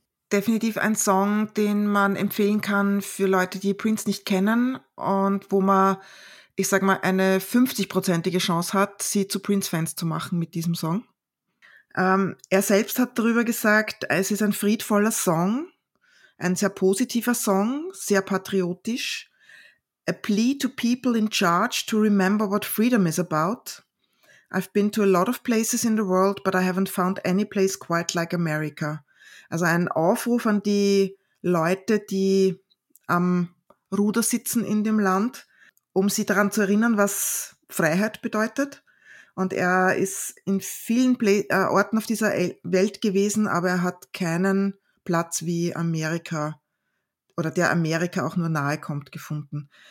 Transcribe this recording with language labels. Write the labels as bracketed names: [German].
[German] Definitiv ein Song, den man empfehlen kann für Leute, die Prince nicht kennen und wo man, ich sag mal, eine 50-prozentige Chance hat, sie zu Prince-Fans zu machen mit diesem Song. Er selbst hat darüber gesagt, es ist ein friedvoller Song, ein sehr positiver Song, sehr patriotisch. [English] A plea to people in charge to remember what freedom is about. I've been to a lot of places in the world, but I haven't found any place quite like America. [German] Also ein Aufruf an die Leute, die am Ruder sitzen in dem Land, um sie daran zu erinnern, was Freiheit bedeutet. Und er ist in vielen Orten auf dieser Welt gewesen, aber er hat keinen Platz wie Amerika oder der Amerika auch nur nahe kommt gefunden.